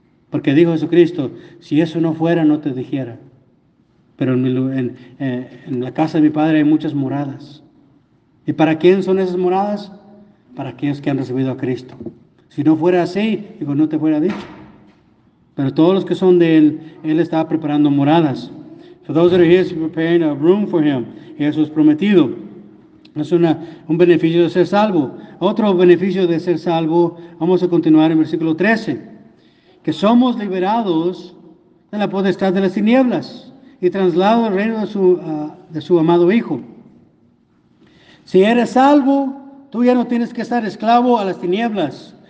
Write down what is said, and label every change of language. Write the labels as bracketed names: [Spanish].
[Spanish] Porque dijo Jesucristo, si eso no fuera, no te dijera. Pero en la casa de mi Padre hay muchas moradas. ¿Y para quién son esas moradas? Para aquellos que han recibido a Cristo. Si no fuera así, digo, no te fuera dicho. Pero todos los que son de Él, Él estaba preparando moradas. [English] So those that are his, you're preparing a room for him. [Spanish] Eso es prometido. Es una, un beneficio de ser salvo. Otro beneficio de ser salvo, vamos a continuar en versículo 13. Que somos liberados de la potestad de las tinieblas y trasladados al reino de su amado Hijo. Si eres salvo, tú ya no tienes que estar esclavo a las tinieblas.